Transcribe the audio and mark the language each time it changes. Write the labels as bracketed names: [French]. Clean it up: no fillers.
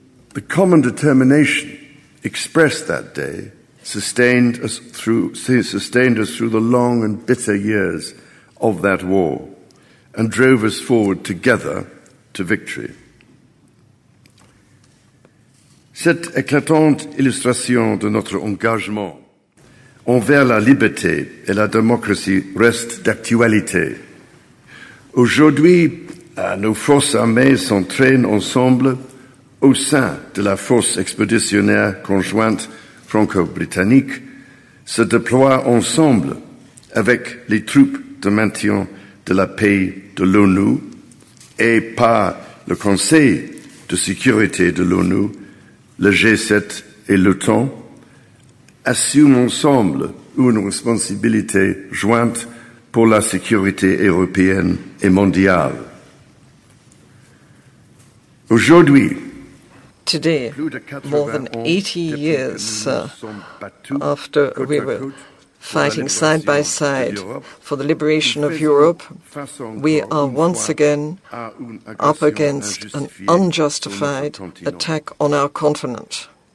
[English] The common determination expressed that day sustained us through the long and bitter years of that war and drove us forward together to victory. [French] Cette éclatante illustration de notre engagement envers la liberté et la démocratie reste d'actualité. Aujourd'hui, nos forces armées s'entraînent ensemble au sein de la force expéditionnaire conjointe franco-britannique, se déploient ensemble avec les troupes de maintien de la paix de l'ONU et par le Conseil de sécurité de l'ONU, le G7 et l'OTAN, assument ensemble une responsabilité jointe pour la sécurité européenne et mondiale. Aujourd'hui, [English] today, more than 80 years after we were fighting side by side for the liberation of Europe, we are once again up against an unjustified attack on our continent.